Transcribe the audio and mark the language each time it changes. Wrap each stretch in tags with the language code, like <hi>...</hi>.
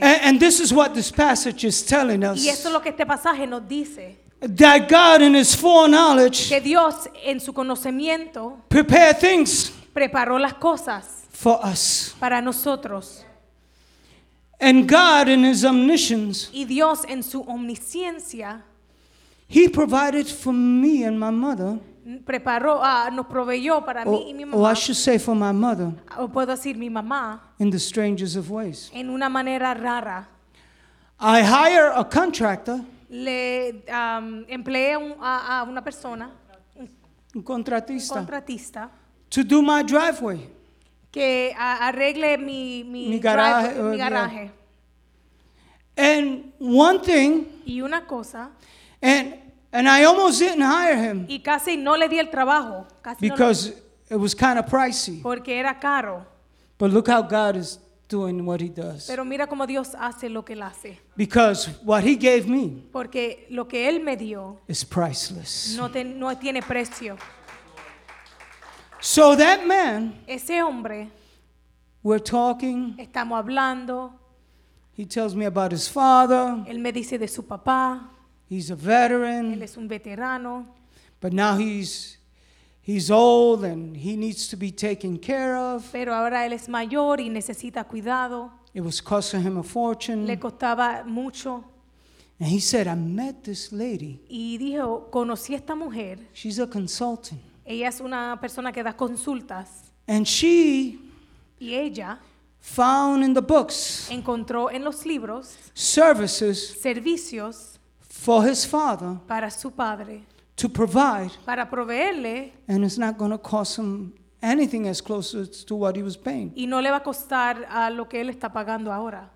<en>And this is what this passage is telling us.</en> <es>Y esto es lo que este pasaje nos dice.</es> <en>That God in his foreknowledge,</en> <es>que Dios en su conocimiento,</es> <en>prepared things,</en> <es>preparó las cosas,</es> <en>for us,</en> <es>para nosotros.</es> <en>And God in his omniscience,</en> <es>y Dios en su omnisciencia,</es> <en>he provided for me and my mother,</en> <es>preparó, nos proveyó para mí y mi mamá,</es> <en>or I should say for my mother,</en> <es>o puedo decir mi mamá,</es> <en>in the strangest of ways,</en> <es>en una manera rara.</es> <en>I hire a contractor,</en> <es>le empleé a una persona, un contratista, contratista,</es> <en>to do my driveway,</en> <es>que arregle mi garaje.</es> <en>And one thing,</en> <es>y una cosa,</es> <en>and I almost didn't hire him.</en> <es>Y casi no le di el trabajo, casi</es> <en>because</en> <es>no</es> <en>it was kind of pricey.</en> <es>Porque era caro.</es> <en>But look how God is doing what he does.</en> <es>Pero mira como Dios hace lo que él hace.</es> <en>Because what he gave me,</en> <es>porque lo que él me dio,</es> <en>is priceless.</en> <es>No tiene precio.</es> <en>So that man,</en> <es>ese hombre,</es> <en>we're talking,</en> <es>estamos hablando.</es> <en>He tells me about his father.</en> <es>Él me dice de su papá.</es> <en>He's a veteran.</en> <es>Él es un veterano.</es> <en>But now he's old and he needs to be taken care of.</en> <es>Pero ahora él es mayor y necesita cuidado.</es> <en>It was costing him a fortune.</en> <es>Le costaba mucho.</es> <en>And he said, I met this lady.</en> <es>Y dijo, conocí a esta mujer.</es> <en>She's a consultant.</en> <es>Ella es una persona que da consultas.</es> <en>And she,</en> <es>y ella,</es> <en>found in the books,</en> <es>encontró en los libros,</es> <en>services,</en> <es>servicios,</es> <en>for his father,</en> <es>para su padre,</es> <en>to provide,</en> <es>para proveerle,</es> <en>and it's not going to cost him anything as close to what he was paying.</en> <es>Y no le va a costar a lo que él está pagando ahora.</es>